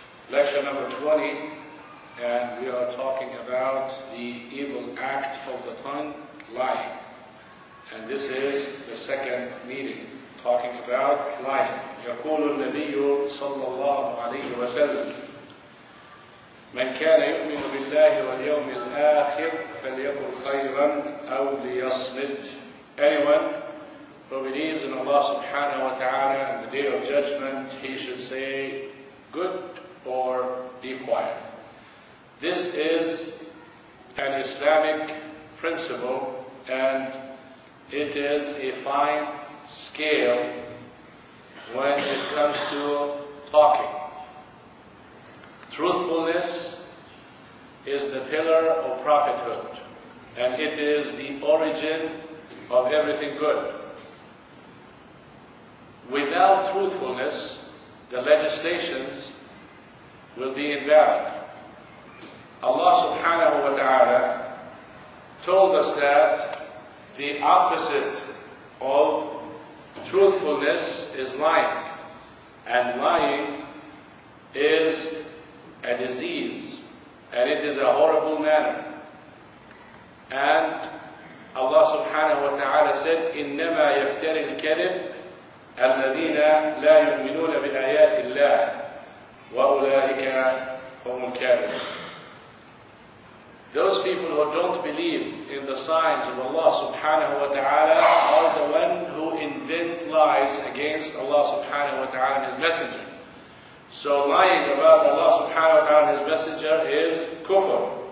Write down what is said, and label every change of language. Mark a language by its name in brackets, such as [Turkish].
[English] Lecture number 20, and we are talking about the evil act of the tongue, lying. And this is the second meeting, talking about lying. [Arabic] يقول النبي صلى الله عليه وسلم من كان يؤمن بالله واليوم الآخر فليقل خيرا أو ليصمت. [English] Anyone who believes in Allah subhanahu wa ta'ala and the Day of Judgment, he should say good or be quiet. This is an Islamic principle, and it is a fine scale when it comes to talking. Truthfulness is the pillar of prophethood, and it is the origin of everything good. Without truthfulness, the legislations will be invalid. Allah subhanahu wa ta'ala told us that the opposite of truthfulness is lying, and lying is a disease, and it is a horrible matter. And Allah subhanahu wa ta'ala said, [Arabic] إِنَّمَا يَفْتَرِي الْكَذِبِ الَّذِينَ لَا يُؤْمِنُونَ بِآيَاتِ اللَّهِ وَأُولَٰئِكَ هُمُ الْكَافِرُونَ. [English] Those people who don't believe in the signs of Allah subhanahu wa ta'ala are the one who invent lies against Allah subhanahu wa ta'ala and His Messenger. So lying about Allah subhanahu wa ta'ala and His Messenger is kufr.